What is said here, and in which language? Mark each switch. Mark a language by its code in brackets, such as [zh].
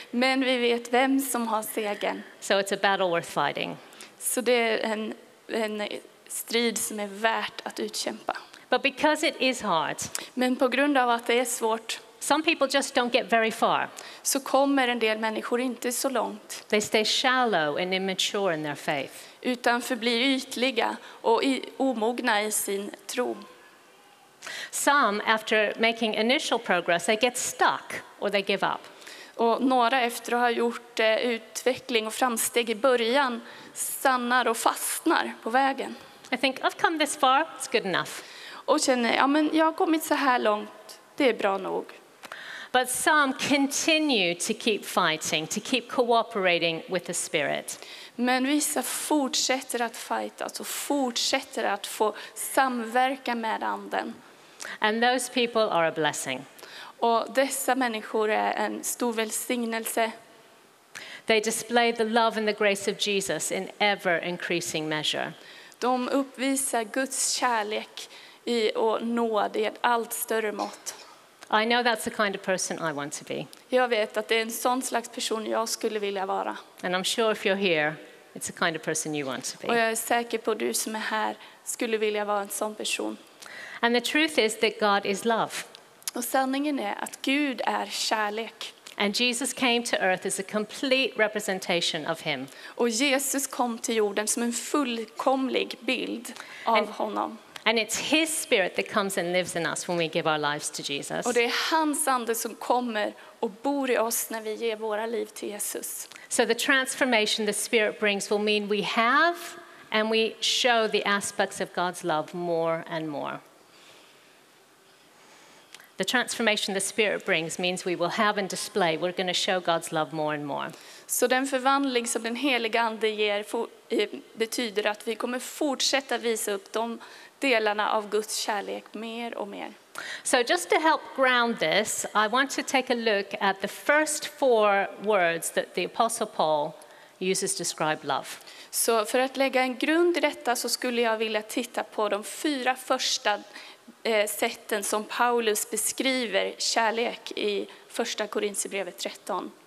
[sv] Men vi vet vem som har segern. [en] So it's a battle worth fighting. [sv] Så det är en strid som är värt att utkämpa. [en] But because it is hard. [sv] Men på grund av att det är svårt. [en] Some people just don't get very far. [sv] Så kommer en del människor inte så långt. [en] They stay shallow and immature in their faith. [sv] Utan förblir ytliga och omogna i sin tro. [en] Some, after making initial progress, they get stuck or they give up. [sv] Och några efter att ha gjort utveckling och framsteg i början stannar och fastnar på vägen. [en] I think I've come this far, it's good enough. [sv] Och känner, ja men jag har kommit så här långt, det är bra nog. [en] But some continue to keep fighting, to keep cooperating with the Spirit. [sv] Men vissa fortsätter att fighta, alltså fortsätter att få samverka med anden. [en] And those people are a blessing. [sv] Och dessa människor är en stor välsignelse. [en] They display the love and the grace of Jesus in ever increasing measure. [sv] De uppvisar Guds kärlek i och nåd i ett allt större mått. [en] I know that's the kind of person I want to be. [sv] Jag vet att det är en sån slags person jag skulle vilja vara. [en] And I'm sure if you're here, it's the kind of person you want to be. [sv] Och jag är säker på att du som är här skulle vilja vara en sån person. [en] And the truth is that God is love. [sv] Och sanningen är att Gud är kärlek. [en] And Jesus came to earth as a complete representation of him. [sv] Och Jesus kom till jorden som en fullkomlig bild av honom. [en] And it's his spirit that comes and lives in us when we give our lives to Jesus. [sv] Och det är hans ande som kommer och bor i oss när vi ger våra liv till Jesus. [en] So the transformation the spirit brings will mean we have and we show the aspects of God's love more and more. The transformation the spirit brings means we will have and display, we're going to show God's love more and more. [sv] Så den förvandling som den helige ande ger betyder att vi kommer fortsätta visa upp de delarna av Guds kärlek mer och mer. [en] So just to help ground this, I want to take a look at the first four words that the apostle Paul uses to describe love. [sv] Så för att lägga en grund i detta så skulle jag vilja titta på de fyra första sätten som Paulus beskriver kärlek i första Korinthierbrevet 13.